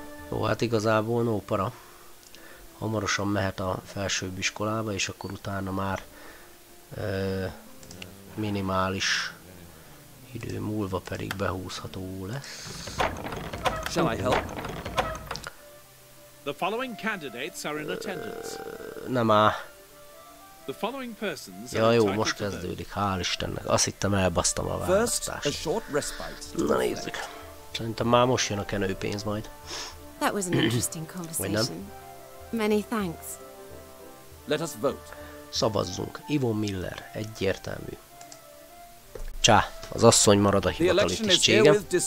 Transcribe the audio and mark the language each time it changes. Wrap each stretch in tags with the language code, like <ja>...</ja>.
<hu>Jó, hát igazából no para. Hamarosan mehet a felsőbb iskolába, és akkor utána már minimális idő múlva pedig behúzható lesz.</hu> <en>Shall I help? The following candidates are in attendance.</en> <hu>Nem áll.</hu> <en>The following persons.</en> <hu>Ja jó, most kezdődik, hál' Istennek. Azt hittem elbasztam a választást. Na nézzük. Szerintem már most jön a kenőpénz majd.</hu> <en>That was an interesting conversation. Many thanks. Let us vote.</en> <hu>Szavazzunk. Yvonne Miller, egyértelmű. Csá, az asszony marad a hivatali tisztségem.</hu>